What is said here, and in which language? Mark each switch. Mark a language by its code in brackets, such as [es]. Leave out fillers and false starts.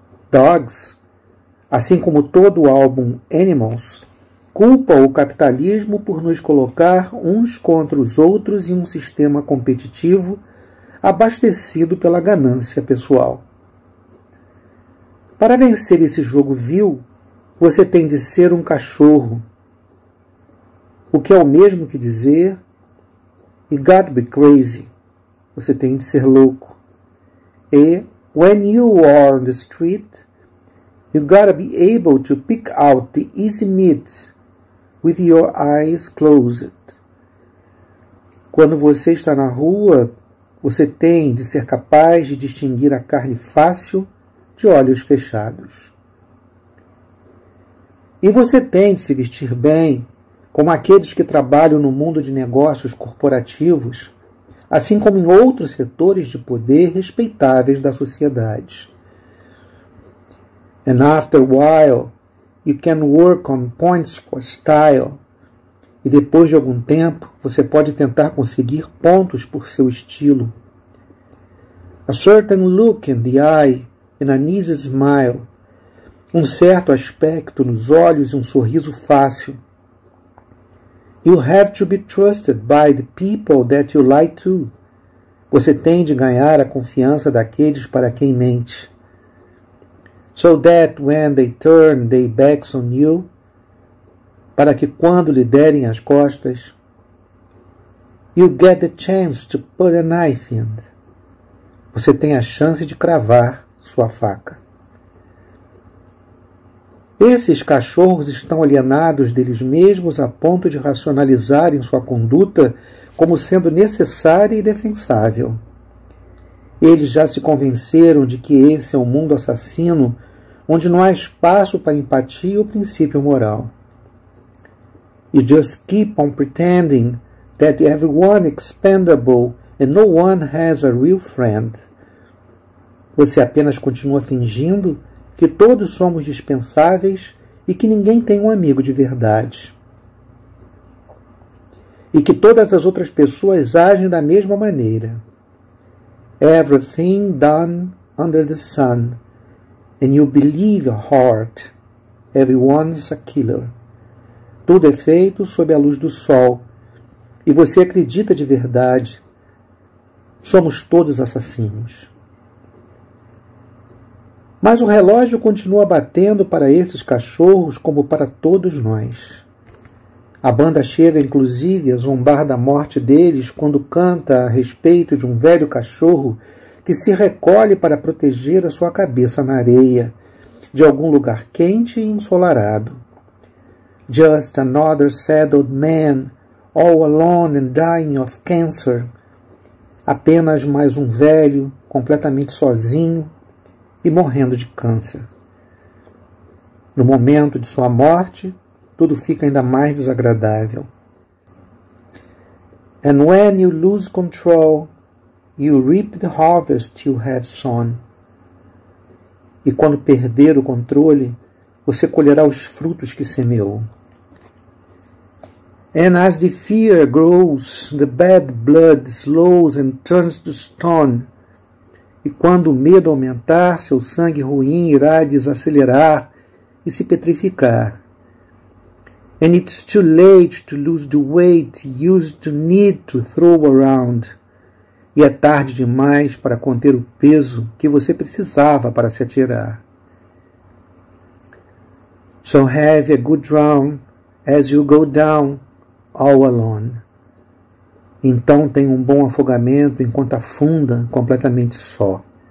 [pt] Dogs, assim como todo o álbum Animals, culpa o capitalismo por nos colocar uns contra os outros em um sistema competitivo abastecido pela ganância pessoal. Para vencer esse jogo vil, você tem de ser um cachorro, o que é o mesmo que dizer [en] "You gotta be crazy", [pt] você tem de ser louco. [en] E "when you are on the street, you gotta be able to pick out the easy meat with your eyes closed". [pt] Quando você está na rua, você tem de ser capaz de distinguir a carne fácil de olhos fechados. E você tem de se vestir bem, como aqueles que trabalham no mundo de negócios corporativos, assim como em outros setores de poder respeitáveis da sociedade. [en] And after a while, you can work on points for style. [pt] E depois de algum tempo, você pode tentar conseguir pontos por seu estilo. [en] A certain look in the eye and an easy smile. [pt] Um certo aspecto nos olhos e um sorriso fácil. [en] You have to be trusted by the people that you lie to. [pt] Você tem de ganhar a confiança daqueles para quem mente. [en] So that when they turn their backs on you, [pt] para que quando lhe derem as costas, [en] you get the chance to put a knife in. [pt] Você tem a chance de cravar sua faca. Esses cachorros estão alienados deles mesmos a ponto de racionalizarem sua conduta como sendo necessária e defensável. Eles já se convenceram de que esse é um mundo assassino, onde não há espaço para empatia ou princípio moral. [en] You just keep on pretending that everyone is expendable and no one has a real friend. [pt] Você apenas continua fingindo que todos somos dispensáveis e que ninguém tem um amigo de verdade. E que todas as outras pessoas agem da mesma maneira. [en] Everything done under the sun, and you believe your heart, everyone's a killer. [pt] Tudo é feito sob a luz do sol, e você acredita de verdade. Somos todos assassinos. Mas o relógio continua batendo para esses cachorros como para todos nós. A banda chega, inclusive, a zombar da morte deles quando canta a respeito de um velho cachorro que se recolhe para proteger a sua cabeça na areia de algum lugar quente e ensolarado. [en] Just another sad old man, all alone and dying of cancer. [pt] Apenas mais um velho, completamente sozinho e morrendo de câncer. No momento de sua morte, tudo fica ainda mais desagradável. [en] And when you lose control, you reap the harvest you have sown. [pt] E quando perder o controle, você colherá os frutos que semeou. [en] And as the fear grows, the bad blood slows and turns to stone. [pt] E quando o medo aumentar, seu sangue ruim irá desacelerar e se petrificar. [en] And it's too late to lose the weight you used to need to throw around. [pt] E é tarde demais para conter o peso que você precisava para se atirar. [en] So have a good run as you go down. All alone. [pt] Então tem um bom afogamento enquanto afunda completamente só.